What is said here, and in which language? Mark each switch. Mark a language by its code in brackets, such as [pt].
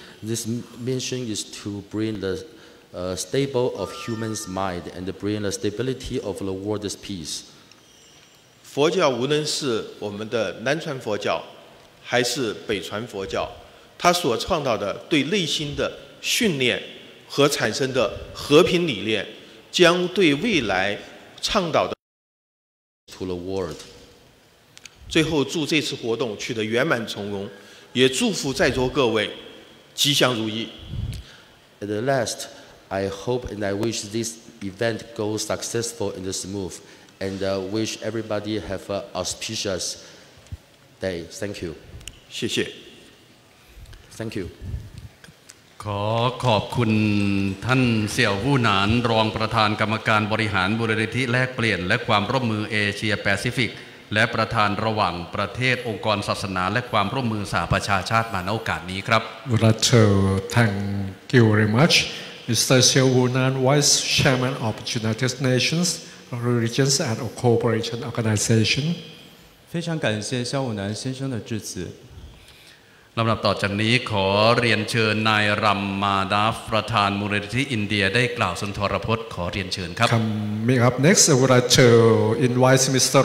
[en] This mission is to bring the stable of human's mind and bring the stability of the world's peace. [zh] 佛教无论是我们的南传佛教还是北传佛教，它所创造的对内心的训练和产生的和平理念，将对未来倡导的 [en] to the world. [zh] 最后，祝这次活动取得圆满成功，也祝福在座各位吉祥如意。 [en] At the last, I hope and I wish this event goes successful and smooth, and wish everybody have an auspicious day. Thank you. [zh] 谢谢。 [en] Thank you. [th] ขอขอบคุณท่านเสี่ยววู่หนานรองประธานกรรมการบริหารมูลนิธิแลกเปลี่ยนและความร่วมมือเอเชียแปซิฟิกและประธานระหว่างประเทศองค์กรศาสนาและความร่วมมือสหประชาชาติมาณโอกาสนี้ครับ [en] Thank you very much, Mr. Seo Woo Nan, Vice Chairman of United Nations Religions and Cooperation Organization. [zh] 非常感谢肖武南先生的致辞。 [th] ลำดับต่อจากนี้ขอเรียนเชิญนายรัมมาดาฟประธานมูลนิธิอินเดียได้กล่าวสุนทรพจน์ขอเรียนเชิญครับ [en] Coming up next, I would like to invite Mr.